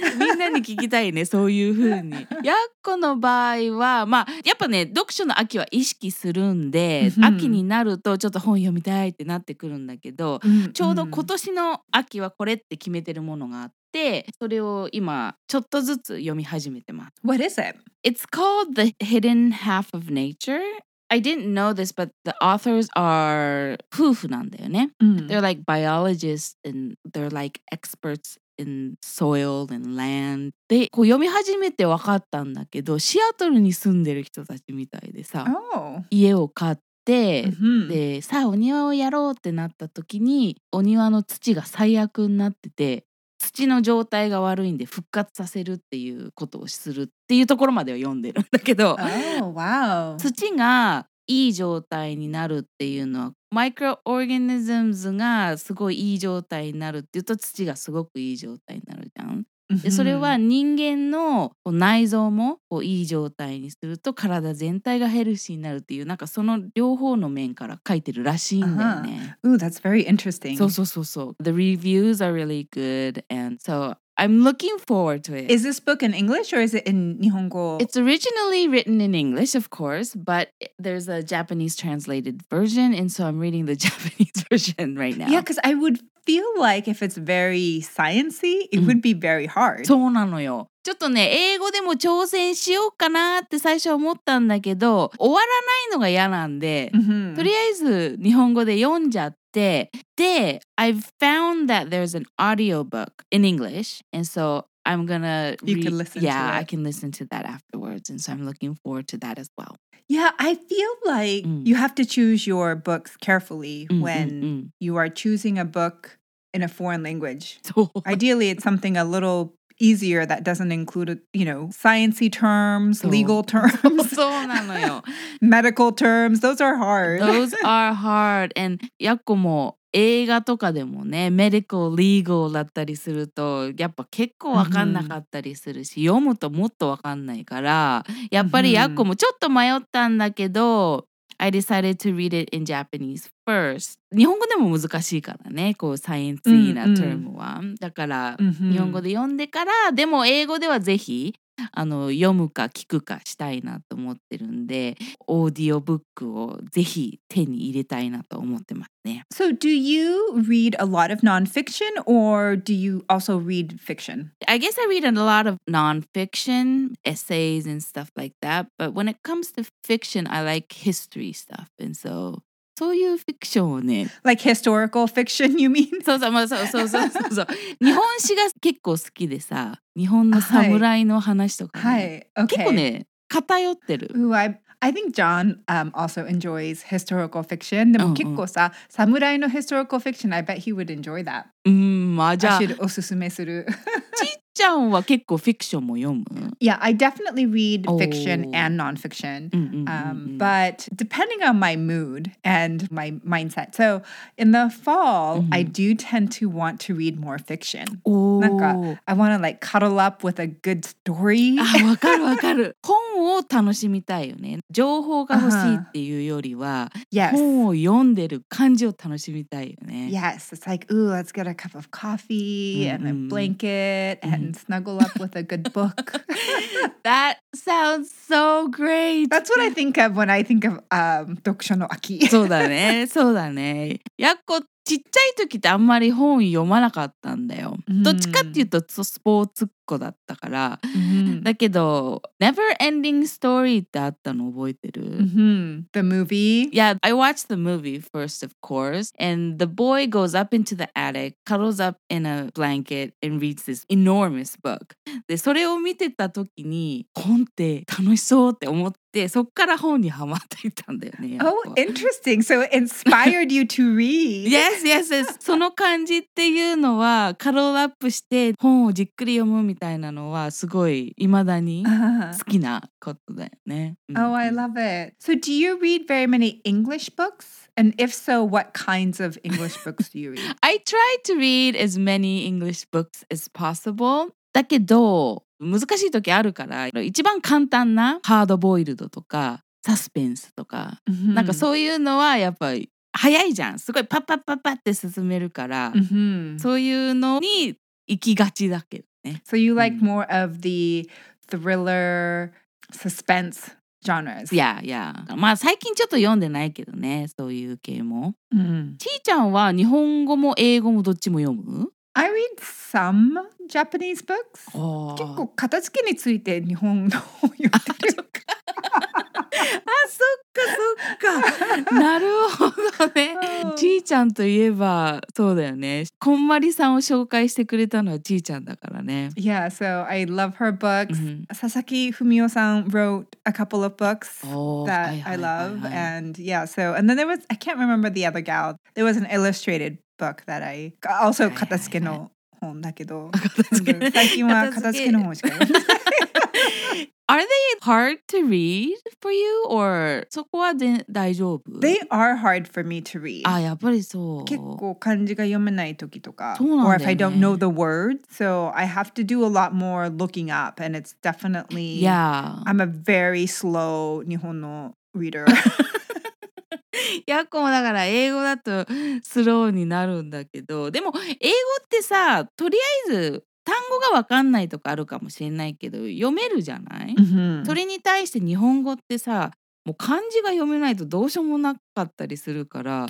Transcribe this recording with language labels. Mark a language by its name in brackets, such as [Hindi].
[Japanese] みんなに聞きたいね、そういう風に。やっこの場合は、まあ、やっぱね、読書の秋は意識するんで、秋になるとちょっと本読みたいってなってくるんだけど、ちょうど今年の秋はこれって決めてるものがあって、それを今ちょっとずつ読み始めてます。 [English] What is it? It's called The Hidden Half of Nature. I didn't know this, but the authors are [Japanese] 夫婦なんだよね。 [English] They're like biologists and they're like experts in soil and land. [Japanese] で、こう読み始めて分かったんだけど、シアトルに住んでる人たちみたいでさ、家を買って、で、さあお庭をやろうってなった時に、お庭の土が最悪になってて、土の状態が悪いんで復活させるっていうことをするっていうところまでは読んでるんだけど、 [English] oh, wow. [Japanese] 土がいい状態になるっていうのはマイクロオーガニズムがすごいいい状態になるっていうと土がすごくいい状態になるじゃん。でそれは人間の内臓もこういい状態にすると体全体がヘルシーになるっていうなんかその両方の面から書いてるらしいんだよね。 [English] Ooh, that's very interesting. [Japanese] そうそうそうそう。 [English] The reviews are really good and so I'm looking forward to it. Is this book in English or is it in 日本語? It's originally written in English, of course, but there's a Japanese translated version, and so I'm reading the Japanese version right now. Yeah, because I would feel like if it's very science-y, it would be very hard. [Japanese] そうなのよ。ちょっとね、英語でも挑戦しようかなって最初思ったんだけど、終わらないのが嫌なんで、とりあえず日本語で読んじゃって、で、 [English] I've found that there's an audiobook in English, and so I'm gonna You can listen to that. I can listen to that afterwards, and so I'm looking forward to that as well. Yeah, I feel like you have to choose your books carefully when you are choosing a book in a foreign language. Ideally, it's something a little easier that doesn't include, you know, science-y terms, legal terms, [Japanese] そうなのよ。 [English] medical terms. Those are hard. Those are hard. And [Japanese] やっこも映画とかでもね、 medical, legal だったりするとやっぱ結構わかんなかったりするし、読むともっとわかんないから、やっぱりやっこもちょっと迷ったんだけど、 [English] I decided to read it in Japanese first. [Japanese] 日本語でも難しいからね、こうサイエンスイーなテーマは。だから、日本語で読んでから、でも英語ではぜひ、あの、読むか聞くかしたいなと思ってるんで、オーディオブックをぜひ手に入れたいなと思ってますね。 [English] So do you read a lot of non-fiction or do you also read fiction? I guess I read a lot of non-fiction, essays and stuff like that. But when it comes to fiction, I like history stuff. And so... [Japanese] そういうフィクションをね。 [English] Like historical fiction, you mean? [Japanese] そうそう、そうそうそうそうそう。日本史が結構好きでさ、日本の侍の話とか、ね。はい、okay. 結構ね、偏ってる。 [English] Ooh, I think John also enjoys historical fiction. [Japanese] でも結構さ、侍の [English] historical fiction, I bet he would enjoy that. [Japanese] まあじゃあ。 [English] I should [Japanese] おすすめする。ちっちゃんは結構フィクションも読む? [English] Yeah, I definitely read fiction and non-fiction. But depending on my mood and my mindset. So in the fall, I do tend to want to read more fiction. なんか、I want to like cuddle up with a good story. [Japanese] あ、わかるわかる。本を楽しみたいよね。情報が欲しいっていうよりは、本を読んでる感じを楽しみたいよね。 [English] Yes, it's like, ooh, let's get a cup of coffee and a blanket. And snuggle up with a good book. That sounds so great. That's what I think of when I think of 読書の秋. [Japanese] そうだね、そうだね。やっこ、ちっちゃい時ってあんまり本読まなかったんだよ。どっちかっていうとスポーツっ子だったから。だけど、Never Ending Story ってあったの覚えてる? [English] The movie? Yeah, I watched the movie first, of course. And the boy goes up into the attic, cuddles up in a blanket, and reads this enormous book. [Japanese] で、それを見てた時に、本って楽しそうって思って、で、そっから本にハマっていたんだよね。 [English] Oh, interesting. So it inspired you to read. Yes, yes, yes. [Japanese] その感じっていうのは、カロールアップして本をじっくり読むみたいなのはすごい未だに好きなことだよね。 [English] Oh, I love it. So do you read very many English books? And if so, what kinds of English books do you read? I try to read as many English books as possible. [Japanese] だけど、難しい時あるから、一番簡単なハードボイルドとかサスペンスとか、mm-hmm. なんかそういうのはやっぱり早いじゃん。すごいパッパッパッパッって進めるから、そういうのに行きがちだけどね。 [English] So you like more of the thriller suspense genres? Yeah, yeah. [Japanese] まあ最近ちょっと読んでないけどね、そういう系も。ちーちゃんは日本語も英語もどっちも読む？ [English] I read some Japanese books. [Japanese] 結構片付けについて日本の読んでる。あ、そっかそっか。なるほどね。ちーちゃんといえばそうだよね。こんまりさんを紹介してくれたのはちーちゃんだからね。 [English] Yeah, so I love her books. Mm-hmm. 佐々木文雄さん wrote a couple of books that I love. [Japanese] はいはい。 [English] And yeah, so, and then there was, I can't remember the other gal. There was an illustrated book that I, also [Japanese] 片付けの本だけど。最近は片付けの本しか読んでない。 [English] Are they hard to read for you, or [Japanese] そこは大丈夫? [English] They are hard for me to read. [Japanese] あ、やっぱりそう。結構漢字が読めない時とか。そうなんだよね。 [English] Or if I don't know the word, so I have to do a lot more looking up, and it's definitely... Yeah. I'm a very slow 日本の reader. [Japanese] やっこもだから英語だとスローになるんだけど、でも英語ってさ、とりあえず単語が分かんないとかあるかもしれないけど読めるじゃない、うん、それに対して日本語ってさもう漢字が読めないとどうしようもなかったりするから